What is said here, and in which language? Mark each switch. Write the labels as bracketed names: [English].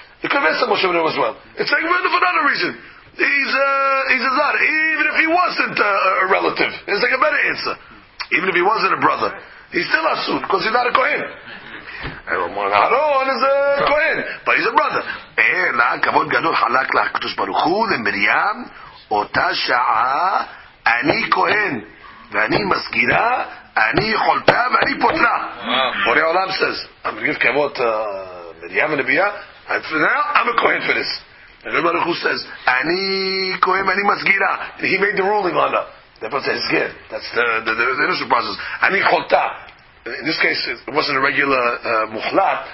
[English] You could have asked that Moshe Rabbeinu as well. It's like for another reason. He's a zar. Even if he wasn't a relative, it's like a better answer. Even if he wasn't a brother, he's still a suit because he's not a kohen. Aaron is a kohen, but he's a brother. [Hebrew] Ela kavod gadol halak la kadosh baruch hu le Miriam. אותה שעה אני כהן ואני מסגירה אני חולטה ואני פותרה. [English] בורא עולם says I'm going to give כבוד מרים הנביאה, now I'm a כהן for this. הקדוש ברוך הוא says [Hebrew] אני כהן ואני מסגירה, [English] he made the ruling on her, that's the initial process. [Hebrew] אני חולטה, [English] in this case it wasn't a regular מוחלט.